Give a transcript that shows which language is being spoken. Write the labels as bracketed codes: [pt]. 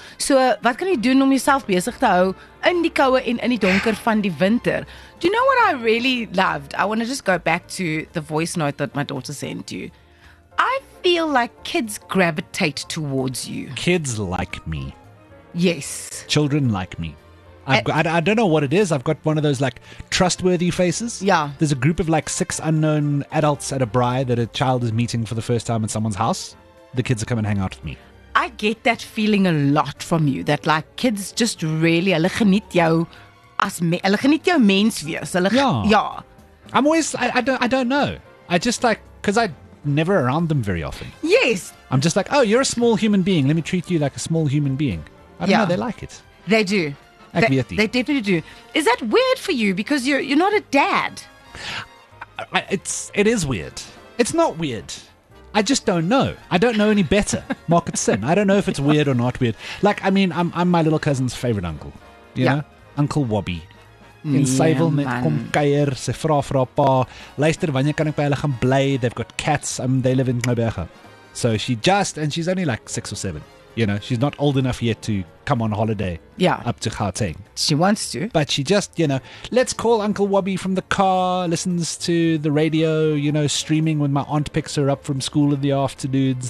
[af] So, wat kan jy doen om jouself besig te hou in die koue en in die donker van die winter? [en] Do you know what I really loved? I want to just go back to the voice note that my daughter sent you. I feel like kids gravitate towards you. Kids like me. Yes. Children like me. I don't know what it is. I've got one of those like trustworthy faces. Yeah. There's a group of like 6 unknown adults at a braai that a child is meeting for the first time at someone's house. The kids are coming to hang out with me. I get that feeling a lot from you that like kids just really, [af] hulle geniet jou as hulle geniet jou mens wees. [en] I'm always I don't know. I just like cuz I never around them very often. Yes. I'm just like, "Oh, you're a small human being. Let me treat you like a small human being." I don't know, they like it. They do. They definitely do. Is that weird for you? Because you're not a dad. It is weird. It's not weird. I just don't know. I don't know any better. Market sin. I don't know if it's weird or not weird. Like, I mean, I'm my little cousin's favorite uncle. You know? Uncle Wobby. [af] En sy wil net kom kuier, sy vra vir haar pa, luister, wanneer kan ek by hulle gaan bly? [en] They've got cats. They live in Knobberge. So she's only like 6 or 7. You know, she's not old enough yet to come on holiday up to Gauteng. She wants to. But she just, you know, let's call Uncle Wobby from the car, listens to the radio, you know, streaming when my aunt picks her up from school in the afternoons.